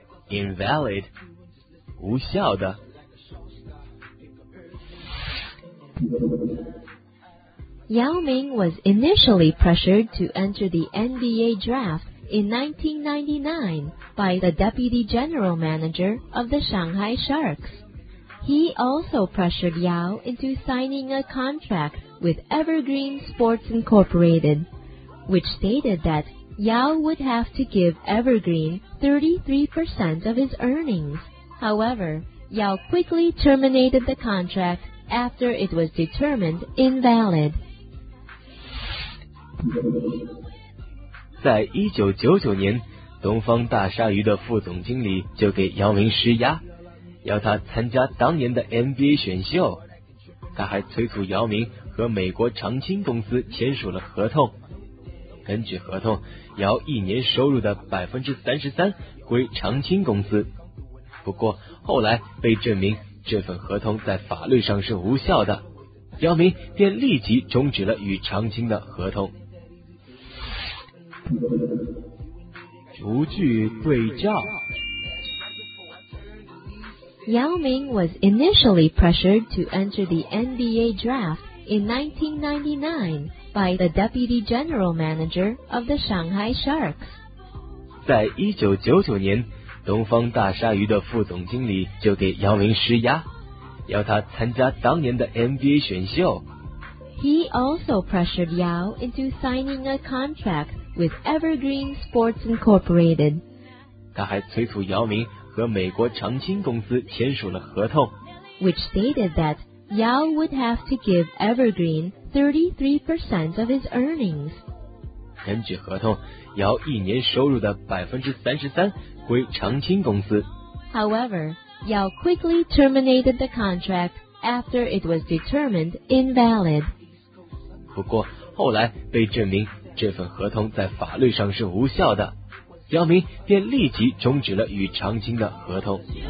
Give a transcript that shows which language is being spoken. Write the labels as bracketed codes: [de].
[zh] invalid, 无效的。 [en] Yao Ming was initially pressured to enter the NBA draft in 1999 by the deputy general manager of the Shanghai Sharks. He also pressured Yao into signing a contract with Evergreen Sports Incorporated, which stated that Yao would have to give Evergreen 33% of his earnings. However, Yao quickly terminated the contract after it was determined invalid. [zh] 在1999年，东方大鲨鱼的副总经理就给姚明施压，要他参加当年的 NBA 选秀。他还催促姚明和美国长青公司签署了合同。根据合同，姚一年收入的 33% 归长青公司。不过，后来被证明这份合同在法律上是无效的，姚明便立即终止了与长青的合同。逐句对照。 [en] Yao Ming was initially pressured to enter the NBA draft in 1999 by the deputy general manager of the Shanghai Sharks. [zh] 在1999年，东方大鲨鱼的副总经理就给姚明施压，要他参加当年的 NBA 选秀。 [en] He also pressured Yao into signing a contract. With Evergreen Sports Incorporated. [zh] 他还催促姚明和美国长青公司签署了合同， [en] which stated that Yao would have to give Evergreen 33% of his earnings. [zh] 根据合同，姚一年收入的 33% 归长青公司。 [en] However, Yao quickly terminated the contract after it was determined invalid. [zh] 不过，后来被证明这份合同在法律上是无效的，姚明便立即终止了与长青的合同。